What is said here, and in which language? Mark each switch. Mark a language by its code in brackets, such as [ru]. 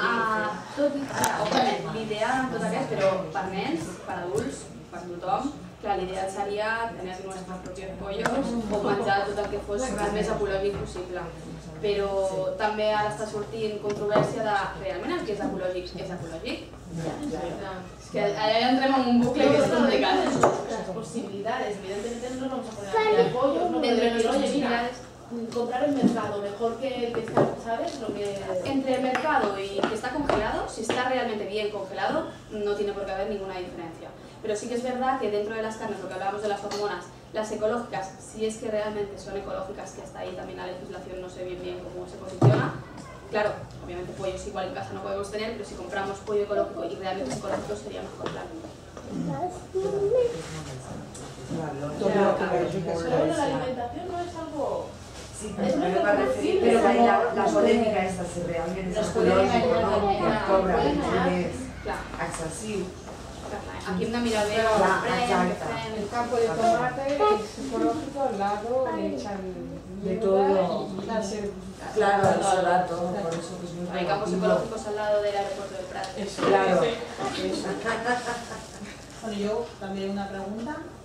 [ca] Ah, l'idea en tot aquest, però per nens, per adults, per tothom, clar, l'idea seria tenir nostres propis pollos o menjar tot el que fos el més ecològic possible. Però també ara està sortint controvèrsia de realment el que és ecològic és ecològic. [es] Ahora entremos en un bucle que es complicado. Las posibilidades, evidentemente no nos vamos a poner a pollo, entre las posibilidades, comprar el mercado, mejor que el que está, ¿sabes? Lo que... Entre el mercado y que está congelado, si está realmente bien congelado, no tiene por qué haber ninguna diferencia. Pero sí que es verdad que dentro de las carnes, lo que hablábamos de las hormonas, las ecológicas, si es que realmente son ecológicas, que hasta ahí también la legislación no sé bien cómo se posiciona. Claro, obviamente pollos igual en casa no podemos tener, pero si compramos pollo ecológico y realmente ecológico sería mejor la vida. La alimentación no es algo... Pero la polémica esta, si realmente es ecológico, cobra, es accesible. [ca] Claro. aquí hem de mirar bé, però, [es] el campo de tomate és ecològico, al lado le echan de todo. Y... Claro, el salato, por eso que es muy hay campos ecológicos al lado del aeropuerto del Prat. Eso, claro. Bueno, yo también una pregunta.